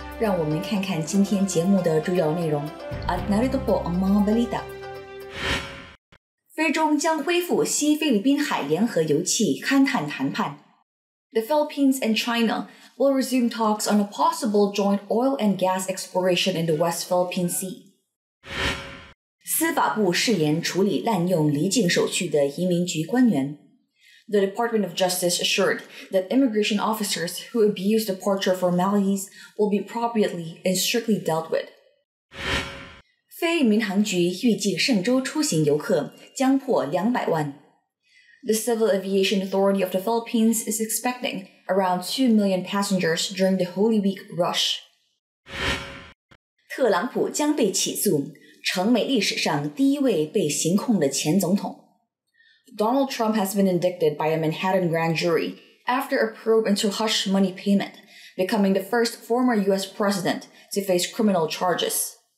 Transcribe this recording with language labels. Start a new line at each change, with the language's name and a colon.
Chinese: 让我们看看今天节目的主要内容。
Filipino: At narito po ang mga balita。
Chinese: 菲中将恢复西菲律宾海联合油气勘探谈判。
English: The Philippines and China will resume talks on a possible joint oil and gas exploration in the West Philippine Sea.
Chinese: 司法部誓言处理滥用离境手续的移民局官员。
English: The Department of Justice assured that immigration officers who abuse departure formalities will be appropriately and strictly dealt with.
Chinese: 非民航局预计上周出行游客将破200万。
English: The Civil Aviation Authority of the Philippines is expecting around 2 million passengers during the Holy Week rush.
Chinese: 特朗普将被起诉，成美历史上第一位被刑控的前总统。
English: Donald Trump has been indicted by a Manhattan grand jury after a probe into hush money payment, becoming the first former U.S. president to face criminal charges.